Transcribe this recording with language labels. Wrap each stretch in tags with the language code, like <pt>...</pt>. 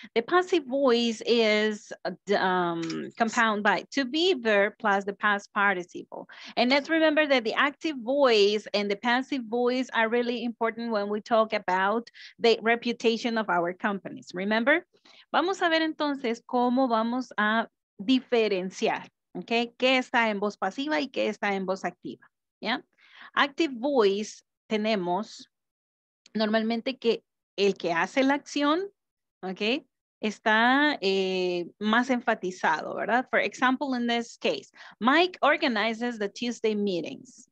<en>The passive voice is compound by to be verb plus the past participle. And let's remember that the active voice and the passive voice are really important when we talk about the reputation of our companies, remember?</en> <es>Vamos a ver entonces cómo vamos a diferenciar, okay? ¿Qué está en voz pasiva y qué está en voz activa? Yeah? Active voice tenemos... Normalmente que el que hace la acción, ¿ok? Está más enfatizado, ¿verdad?</es> <en>For example, in this case, Mike organizes the Tuesday meetings.</en>